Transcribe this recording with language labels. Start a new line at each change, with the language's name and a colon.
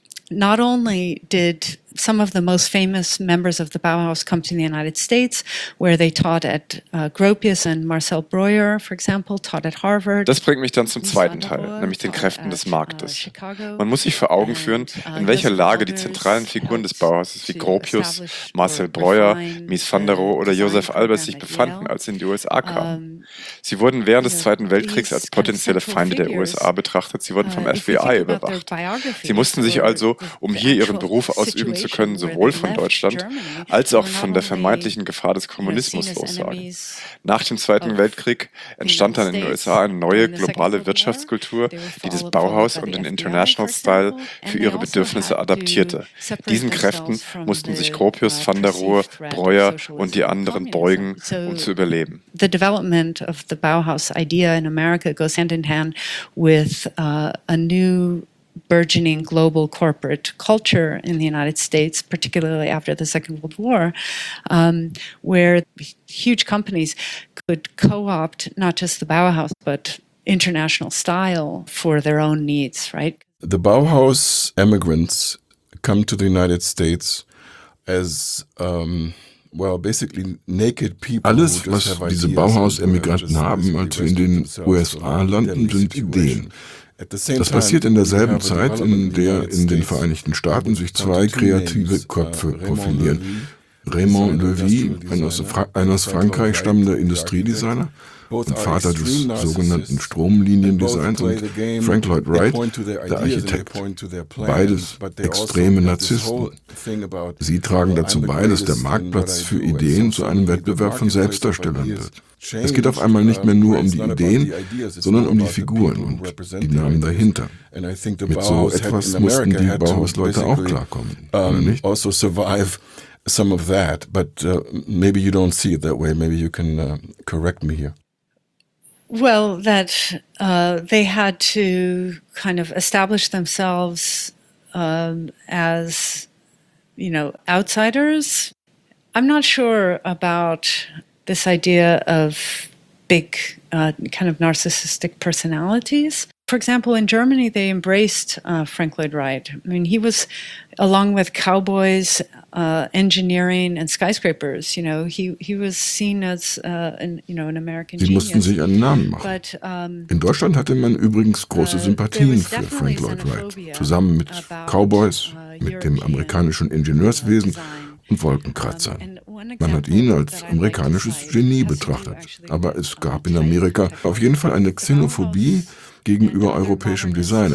English: Not only did some of the most famous members of the Bauhaus come to the United States, where they taught at Gropius and Marcel Breuer, for example, taught at Harvard.
German: Das bringt mich dann zum zweiten Teil, nämlich den Kräften des Marktes. Man muss sich vor Augen führen, in welcher Lage die zentralen Figuren des Bauhauses wie Gropius, Marcel Breuer, Mies van der Rohe oder Josef Albers sich befanden, als sie in die USA kamen. Sie wurden während des Zweiten Weltkriegs als potenzielle Feinde der USA betrachtet. Sie wurden vom FBI überwacht. Sie mussten sich also, um hier ihren Beruf ausüben zu können, sowohl von Deutschland als auch von der vermeintlichen Gefahr des Kommunismus lossagen. Nach dem Zweiten Weltkrieg entstand dann in den USA eine neue globale Wirtschaftskultur, die das Bauhaus und den International Style für ihre Bedürfnisse adaptierte. Diesen Kräften mussten sich Gropius, van der Rohe, Breuer und die anderen beugen, um zu überleben.
English: The development of the Bauhaus idea in America goes hand in hand with a new burgeoning global corporate culture in the United States, particularly after the Second World War, where huge companies could co-opt not just the Bauhaus, but international style for their own needs, right? The Bauhaus immigrants come to the United States as basically naked people.
German: Alles, was diese Bauhaus-Emigranten haben, als sie in den USA landen, sind Ideen. Das passiert in derselben Zeit, in der in den Vereinigten Staaten sich zwei kreative Köpfe profilieren. Raymond Levy, ein aus Frankreich stammender Industriedesigner und Vater des sogenannten Stromliniendesigns, und Frank Lloyd Wright, der Architekt, beides extreme Narzissten. Sie tragen dazu bei, dass der Marktplatz für Ideen zu einem Wettbewerb von Selbstdarstellern wird. Es geht auf einmal nicht mehr nur um die Ideen, sondern um die Figuren und die Namen dahinter. Mit so etwas mussten die Bauhausleute auch klarkommen, nicht?
English: Some of that, but maybe you don't see it that way. Maybe you can correct me here. Well, that they had to kind of establish themselves as, you know, outsiders. I'm not sure about this idea of big kind of narcissistic personalities. For example, in Germany, they embraced Frank Lloyd Wright. I mean, he was, along with cowboys, engineering and skyscrapers, you know, he was seen as an American genius.
German: Sie mussten sich einen Namen machen. But, in Deutschland hatte man übrigens große Sympathien für Frank Lloyd Wright, zusammen mit Cowboys, mit dem amerikanischen Ingenieurswesen und Wolkenkratzern. Man hat ihn als amerikanisches Genie betrachtet. Aber es gab in Amerika auf jeden Fall eine Xenophobie gegenüber europäischem Design.